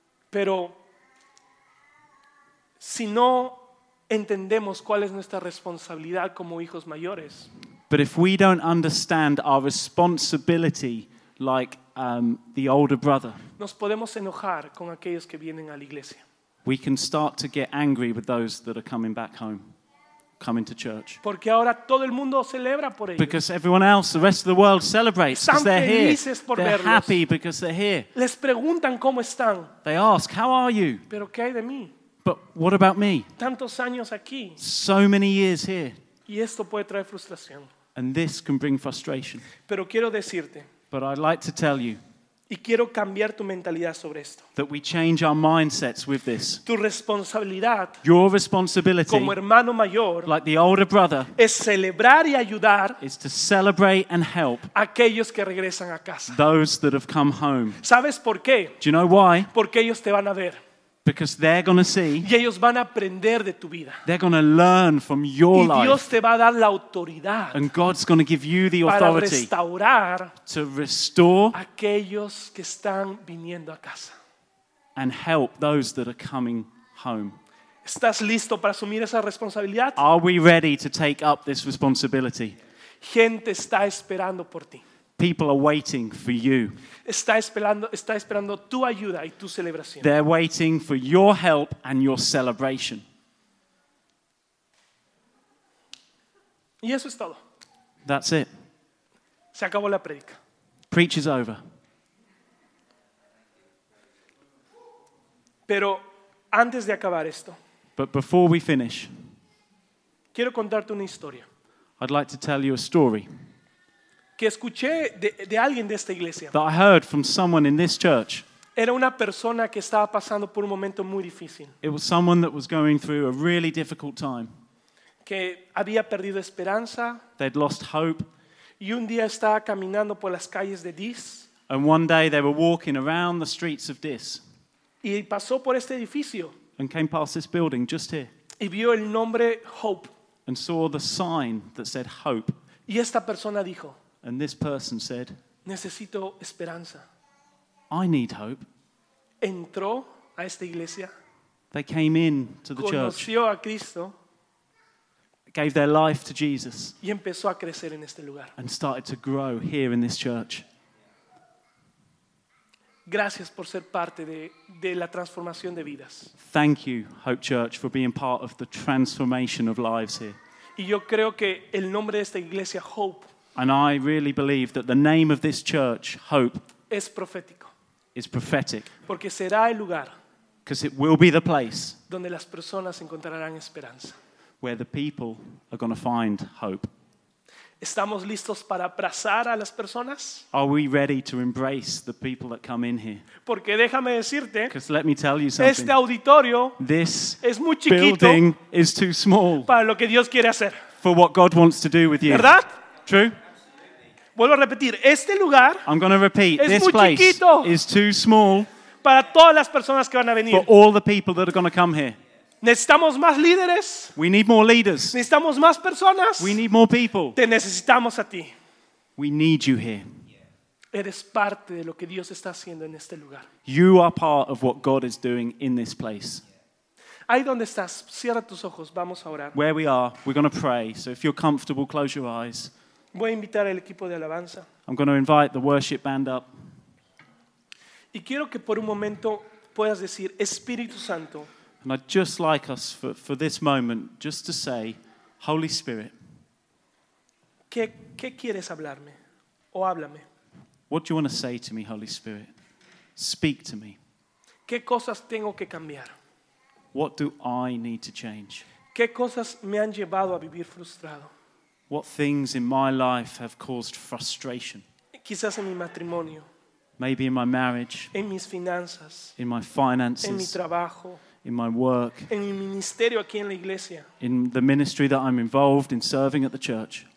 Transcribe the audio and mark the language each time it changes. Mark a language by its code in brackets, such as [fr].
[es] Pero si no entendemos cuál es nuestra responsabilidad como hijos mayores. [en] But if we don't understand our responsibility like the older brother. [es] Nos podemos enojar con aquellos que vienen a la iglesia. [en] We can start to get angry with those that are coming back home, coming to church. [es] Porque ahora todo el mundo celebra por ellos. [en] Because everyone else, the rest of the world celebrates because they're here. [es] Están felices por verlos. [en] They're happy because they're here. [es] Les preguntan cómo están. [en] They ask, how are you? [es] Pero ¿qué hay de mí? [en] But what about me? [es] Tantos años aquí. [en] So many years here. [es] Y esto puede traer frustración. [en] And this can bring frustration. [es] Pero quiero decirte. [en] But I'd like to tell you [es] y quiero cambiar tu mentalidad sobre esto. [en] That we change our mindsets with this. [es] Tu responsabilidad, [en] your responsibility [es] como hermano mayor, [en] like the older brother [es] es celebrar y ayudar, [en] is to celebrate and help [es] aquellos que regresan a casa. [en] Those that have come home. [es] ¿Sabes por qué? [en] Do you know why? [es] Porque ellos te van a ver. [en] Because they're going to see. [es] Y ellos van a aprender de tu vida. [en] They're going to learn from your life. [es] Y Dios te va a dar la autoridad. [en] And God's going to give you the authority. [es] Para restaurar. [en] To restore. [es] Aquellos que están viniendo a casa. [en] And help those that are coming home. [es] ¿Estás listo para asumir esa responsabilidad? [en] Are we ready to take up this responsibility? [es] Gente está esperando por ti. [en] People are waiting for you. [es] Está esperando tu ayuda y tu celebración. [en] They're waiting for your help and your celebration. [es] Y eso es todo. [en] That's it. [es] Se acabó la predica. [en] Preach is over. [es] Pero antes de acabar esto. [en] But before we finish. [es] Quiero contarte una historia. [en] I'd like to tell you a story. [es] Que escuché de alguien de esta iglesia. [en] That I heard from someone in this church. [es] Era una persona que estaba pasando por un momento muy difícil. [en] It was someone that was going through a really difficult time. [es] Que había perdido esperanza. [en] They'd lost hope. [es] Y un día estaba caminando por las calles de Dis. [en] And one day they were walking around the streets of Dis. [es] Y pasó por este edificio. [en] And came past this building just here. [es] Y vio el nombre Hope. [en] And saw the sign that said Hope. [es] Y esta persona dijo. [en] And this person said, [es] necesito esperanza. [en] I need hope. [es] Entró a esta iglesia. [en] They came in to the church. [es] Conoció a Cristo. [en] Gave their life to Jesus. [es] Y empezó a crecer en este lugar. [en] And started to grow here in this church. [es] Gracias por ser parte de la transformación de vidas. [en] Thank you, Hope Church, for being part of the transformation of lives here. [es] Y yo creo que el nombre de esta iglesia, Hope, [en] and I really believe that the name of this church, Hope, [es] es profético. [en] Is prophetic. [es] Porque será el lugar. [en] Because it will be the place [es] donde las personas encontrarán esperanza. [en] Where the people are going to find hope. [es] ¿Estamos listos para abrazar a las personas? [en] Are we ready to embrace the people that come in here? [es] Porque déjame decirte, [en] because let me tell you something. [es] Este auditorio, [en] this [es] es muy chiquito, [en] building is too small [es] para lo que Dios quiere hacer. [en] For what God wants to do with you. [es] ¿Verdad? [en] True. [es] Vuelvo a repetir, este lugar, [en] I'm going to repeat, [es] es [en] this [es] muy [en] place [es] chiquito [en] is too small [es] para todas las personas que van a venir. [en] For all the people that are going to come here. [es] Necesitamos más líderes. [en] We need more leaders. [es] Necesitamos más personas. [en] We need more people. [es] Te necesitamos a ti. [en] We need you here. [es] Eres parte de lo que Dios está haciendo en este lugar. [en] You are part of what God is doing in this place. [es] Ahí donde estás, cierra tus ojos, vamos a orar. [en] Where we are, we're going to pray. So if you're comfortable, close your eyes. [es] Voy a invitar al equipo de alabanza. [en] I'm going to invite the worship band up. [es] Y quiero que por un momento puedas decir, Espíritu Santo. [en] And I'd just like us for this moment just to say, Holy Spirit. [es] ¿Qué quieres hablarme? O háblame. [en] What do you want to say to me, Holy Spirit? Speak to me. [es] ¿Qué cosas tengo que cambiar? [en] What do I need to change? [es] ¿Qué cosas me han llevado a vivir frustrado? [en] What things in my life have caused frustration? [es] Quizás en mi matrimonio. [en] Maybe in my marriage. [es] En mis finanzas. [en] In my finances. [es] En mi trabajo. [en] In my work. [es] En mi ministerio aquí en la iglesia. [en] In the ministry that I'm involved in serving at the church.